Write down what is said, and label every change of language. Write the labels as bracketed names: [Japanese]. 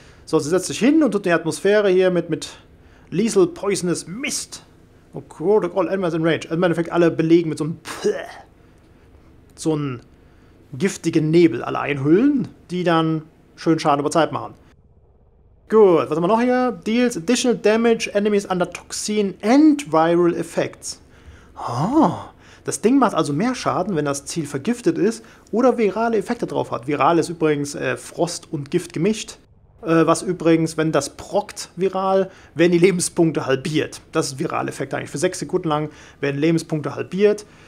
[German] So, sie setzt sich hin und tut die Atmosphäre hier mit Lethal Poisonous Mist. Und [English] quoted all enemies in range. [German] Im Endeffekt alle belegen mit so einem Pfleh. So einen giftigen Nebel alle einhüllen, die dann schön Schaden über Zeit machen. Gut, was haben wir noch hier? [English] Deals additional damage enemies under toxin and viral effects. [German] Oh, das Ding macht also mehr Schaden, wenn das Ziel vergiftet ist oder virale Effekte drauf hat. Viral ist übrigens Frost und Gift gemischt. Was übrigens, wenn das prockt viral, werden die Lebenspunkte halbiert. Das ist virale Effekt eigentlich. Für 6 Sekunden lang werden Lebenspunkte halbiert.